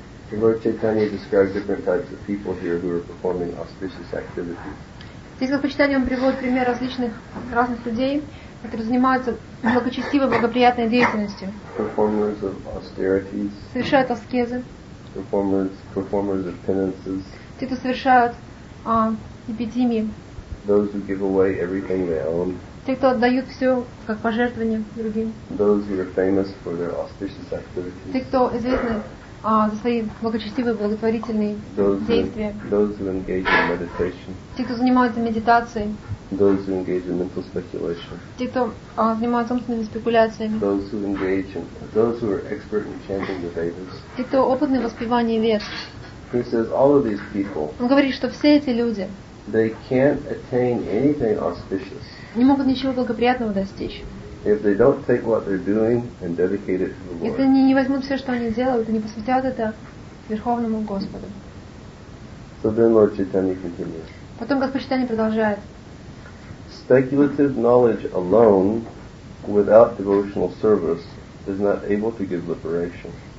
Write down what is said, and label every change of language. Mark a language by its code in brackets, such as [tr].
[en] Lord Chaitanya describes different types of people here who are performing auspicious activities. [ru] Здесь в почитании он приводит пример разных людей, которые занимаются благочестивой, благоприятной деятельностью. [en] Performers of austerities. [ru] Совершают аскезы. [en] Performers of penances. [ru] Те, кто совершают эпитимии. [en] Those who give away everything they own. [ru] Те, кто отдают все как пожертвование другим. [en] Those who are famous for their auspicious activities. [ru] Те, кто известны за свои благочестивые, благотворительные действия. [en] Those who engage in meditation. [ru] Те, кто занимаются медитацией. [en] Those who engage in mental speculation. [ru] Те, кто занимаются умственными спекуляциями. [en] Those who are expert in chanting the Vedas. [ru] Те, кто опытны в воспевании Вед. [en] He says all of these people. [ru] Он говорит, что все эти люди. [en] They can't attain anything auspicious. [ru] Не могут ничего благоприятного достичь. [en] If they don't take what they're doing and dedicate it to the Lord. [ru] Если они не возьмут все, что они делают, и не посвятят это Верховному Господу. [en] So then Lord Chaitanya continues. [ru] Потом Господь Читание продолжает. [en] Speculative knowledge alone, without devotional service, is not able to give liberation.